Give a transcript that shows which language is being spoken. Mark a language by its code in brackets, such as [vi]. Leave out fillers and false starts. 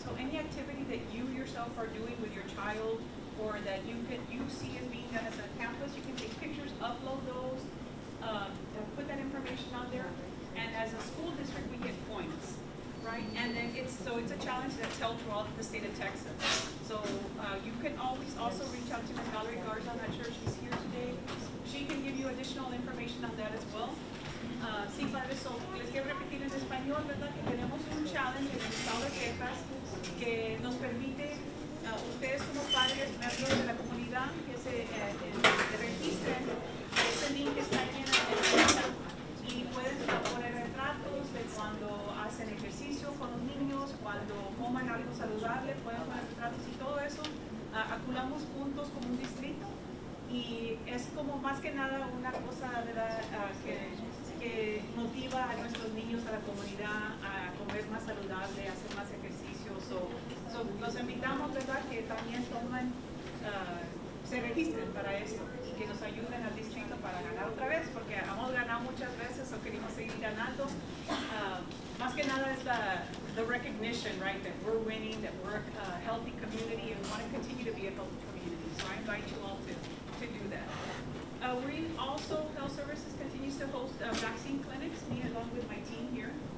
[en] So any activity that you yourself are doing with your child or that you see as being done as a campus, you can take pictures, upload those, put that information on there. And as a school district, we get points, right? And then it's a challenge that's held throughout the state of Texas. So you can always also reach out to Ms. Valerie Garza. I'm not sure she's here today. She can give you additional information on that as well. [es] Sí, padre, so, les quiero repetir en español, ¿verdad?, que tenemos un challenge en el estado de Texas que nos permite, ustedes como padres, miembros de la comunidad, que se registren. Ese link está en la tienda y pueden poner retratos de cuando hacen ejercicio con los niños, cuando coman algo saludable, pueden poner retratos y todo eso. Acumulamos puntos como un distrito y es como más que nada una cosa, ¿verdad?, que motiva a nuestros niños, a la comunidad, a comer más saludable, a hacer más ejercicio. So los invitamos, ¿verdad?, que también tomen, se registren para esto y que nos ayuden al distrito para ganar otra vez, porque hemos ganado muchas veces o queremos seguir ganando. Más que nada es [en] the recognition, right, that we're winning, that we're a healthy community and want to continue to be a healthy community. So I invite you all to do that. We also, Health Services continues to host vaccine clinics, me along with my team here.